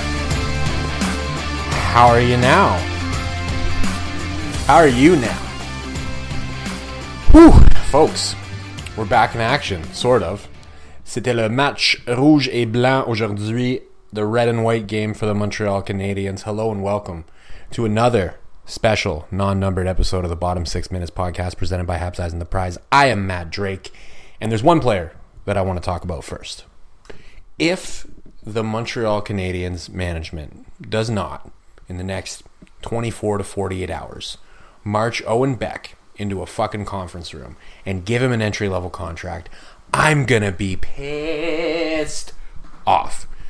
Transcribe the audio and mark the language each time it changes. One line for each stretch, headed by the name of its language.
English: How are you now? How are you now? Whew, folks, we're back in action, sort of.
French: C'était le match rouge et blanc aujourd'hui,
English: the red and white game for the Montreal Canadiens. Hello and welcome to another special non-numbered episode of the Bottom 6 Minutes podcast presented by Habs Eyes and the Prize. I am Matt Drake, and there's one player that I want to talk about first. If the Montreal Canadiens management does not, in the next 24 to 48 hours, march Owen Beck into a fucking conference room and give him an entry-level contract, I'm gonna be pissed off.